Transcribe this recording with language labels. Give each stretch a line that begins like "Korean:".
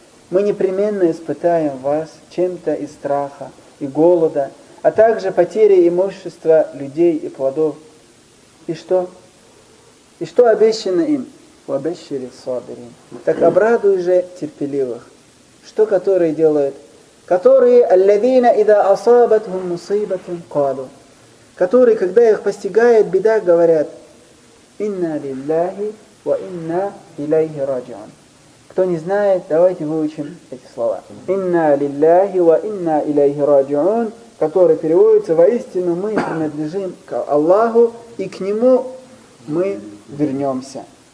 Russian: Мы непременно испытаем вас чем-то из страха и голода, а также потери имущества людей и плодов. И что? И что обещано им?
Arabic: وَبَشِّرِ الصَّابِرِينَ.
Russian: Так обрадуй же терпеливых. Что которые делают? Которые
Arabic: الَّذِينَ إِذَا أَصَابَتْهُمْ مُصِيبَةٌ قَالُوا.
Russian: Которые, когда их постигает беда, говорят:
Arabic: «Инна лиллахи ва инна илейхи раджиун».
Russian: Кто не знает, давайте выучим эти слова.
Arabic: «Инна лиллахи ва инна илейхи раджиун»,
Russian: который переводится: «Воистину мы принадлежим к Аллаху, и к Нему мы вернемся».